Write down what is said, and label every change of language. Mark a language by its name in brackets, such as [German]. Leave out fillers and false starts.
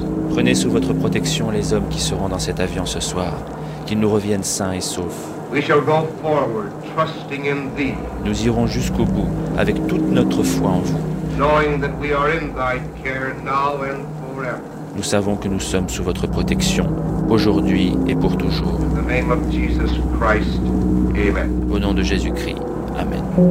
[French] Prenez sous votre protection les hommes qui seront dans cet avion ce soir, qu'ils nous reviennent sains et saufs. [English] We shall go forward, trusting in thee. [French] Nous irons jusqu'au bout, avec toute notre foi en vous. [English] Knowing that we are in thy care now and forever. [French] Nous savons que nous sommes sous votre protection, aujourd'hui et pour toujours. [English] In the name of Jesus Christ, amen. [French] Au nom de Jésus-Christ, amen.